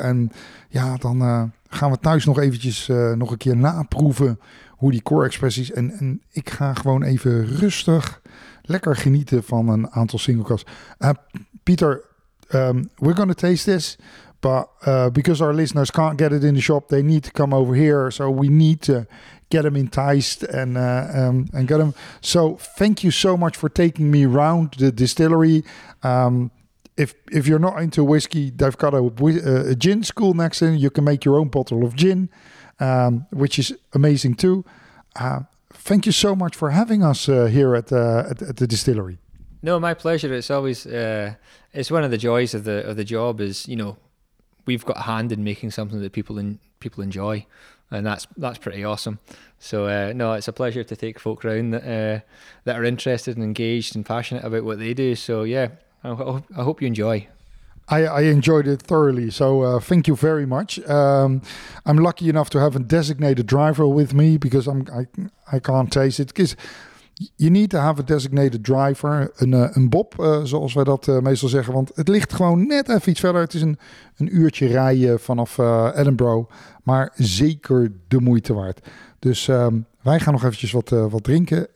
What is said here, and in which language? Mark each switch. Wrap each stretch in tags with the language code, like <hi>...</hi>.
<nl>En ja, dan gaan we thuis nog eventjes nog een keer naproeven hoe die core expressies. En ik ga gewoon even rustig lekker genieten van een aantal single casks.</nl> <en>Pieter, we're going to taste this. But because our listeners can't get it in the shop, they need to come over here. So we need to get them enticed and get them. So thank you so much for taking me around the distillery. If you're not into whiskey, they've got a gin school next in. You can make your own bottle of gin, which is amazing too. Thank you so much for having us here at the distillery. No, my pleasure. It's always it's one of the joys of the job is, you know, we've got a hand in making something that people enjoy, and that's pretty awesome. So it's a pleasure to take folk around that that are interested and engaged and passionate about what they do. So yeah, I hope you enjoy. I enjoyed it thoroughly. So thank you very much. I'm lucky enough to have a designated driver with me because I can't taste it. Because you need to have a designated driver,</en> <nl>een bob, zoals wij dat meestal zeggen. Want het ligt gewoon net even iets verder. Het is een uurtje rijden vanaf Edinburgh. Maar zeker de moeite waard. Dus wij gaan nog eventjes wat drinken.</nl>